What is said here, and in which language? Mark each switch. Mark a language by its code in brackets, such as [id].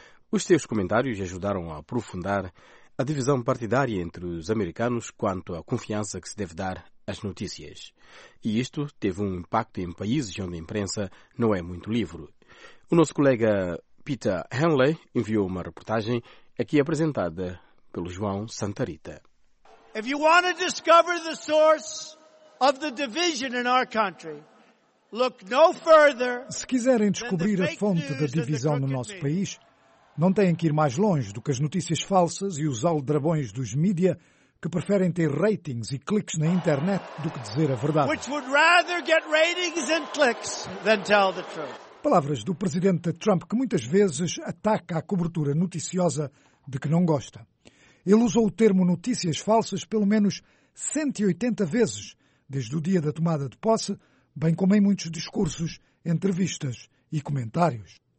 [pt] Os seus comentários ajudaram a aprofundar a divisão partidária entre os americanos quanto à confiança que se deve dar às notícias. E isto teve um impacto em países onde a imprensa não é muito livre. O nosso colega Peter Henley enviou uma reportagem aqui apresentada pelo João Santarita. [en] If you want to discover the source of the division in our country, look no further. [pt] Se quiserem descobrir a fonte da divisão no nosso país, não têm que ir mais longe do que as notícias falsas e os aldrabões dos mídia que preferem ter ratings e cliques na internet do que dizer a verdade. [en] Which would rather get ratings and clicks than tell the truth. [pt] Palavras do presidente Trump que muitas vezes ataca a cobertura noticiosa de que não gosta. Ele usou o termo notícias falsas pelo menos 180 vezes desde o dia da tomada de posse, bem como em muitos discursos, entrevistas e comentários.